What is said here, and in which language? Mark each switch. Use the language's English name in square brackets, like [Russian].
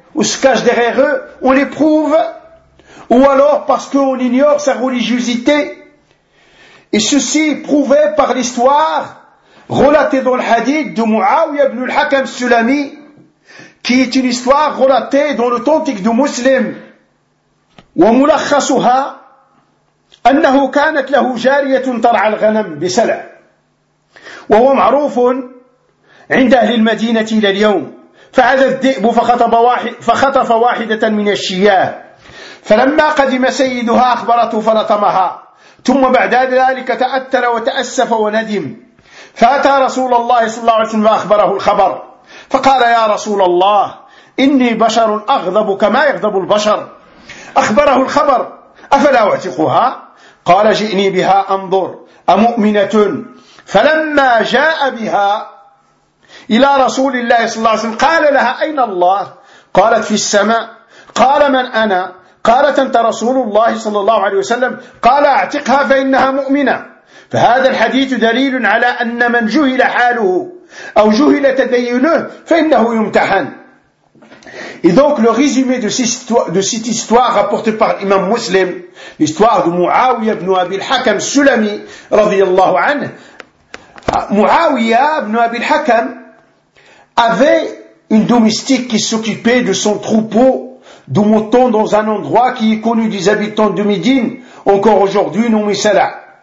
[French] ou se cachent derrière eux, on les prouve, ou alors parce qu'on ignore sa religiosité. Et ceci est prouvé par l'histoire relatée dans le hadith de Muawiyah ibn al-Hakam Sulami, qui est une histoire relatée dans l'authentique du muslim. [Arabic] وملخصها أنه كانت له جارية ترعى الغنم بسلع وهو معروف عند أهل المدينة إلى اليوم فأذى الذئب فخطف واحدة من الشياه فلما قدم سيدها أخبرته فنطمها ثم بعد ذلك تأثر وتأسف وندم فأتى رسول الله صلى الله عليه وسلم فأخبره الخبر فقال يا رسول الله إني بشر أغضب كما يغضب البشر أخبره الخبر أفلا أعتقها قال جئني بها أنظر أمؤمنة فلما جاء بها إلى رسول الله صلى الله عليه وسلم قال لها أين الله قالت في السماء قال من أنا قالت أنت رسول الله صلى الله عليه وسلم قال أعتقها فإنها مؤمنة فهذا الحديث دليل على أن من جهل حاله أو جهل تدينه فإنه يمتحن. [French] Et donc le résumé de cette histoire rapportée par l'imam muslim, l'histoire de Muawiyah ibn Abi al-Hakam Sulami, radiyallahu anhu, Muawiyah ibn Abi al-Hakam avait une domestique qui s'occupait de son troupeau de moutons dans un endroit qui est connu des habitants de Médine, encore aujourd'hui nommé Salah.